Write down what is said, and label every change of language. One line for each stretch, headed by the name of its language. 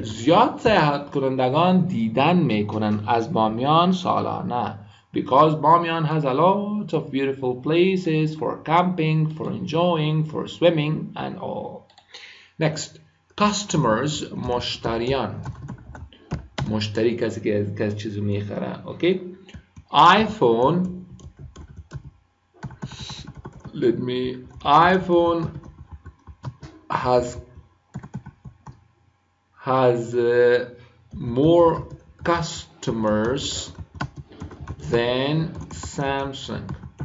Persian: زیاد سیاحت کنندگان دیدن میکنن از بامیان سالانه.
English: Because Bamyan has a lot of beautiful places for camping, for enjoying, for swimming and all. Next. Customers, مشتریان.
Persian: مشتری کسی که کس چیزو میخره.
English: Okay. iPhone. Let me. iPhone has more customers than Samsung.